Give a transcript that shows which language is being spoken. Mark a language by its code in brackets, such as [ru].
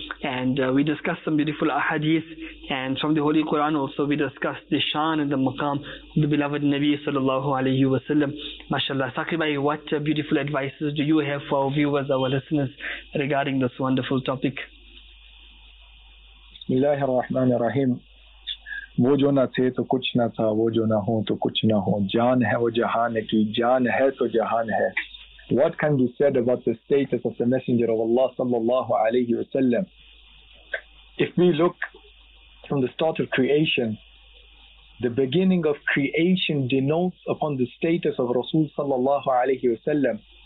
[en] And we discussed some beautiful ahadith, and from the Holy Quran also we discussed the shan and the maqam of the beloved Nabi sallallahu alayhi wa sallam. MashaAllah. Saqib Bhai, what beautiful advices do you have for our viewers, our listeners, regarding this wonderful topic? Bismillahir Rahmanir Rahim. [ur] وہ جو نہ تھے تو کچھ نہ تھا, وہ جو نہ ہوں تو کچھ نہ ہوں, جان ہے وہ جہان کی, جان ہے تو جہان ہے. [en] What can be said about the status of the Messenger of Allah sallallahu alayhi wa sallam? If we look from the start of creation, the beginning of creation denotes upon the status of Rasul sallallahu alayhi wa sallam.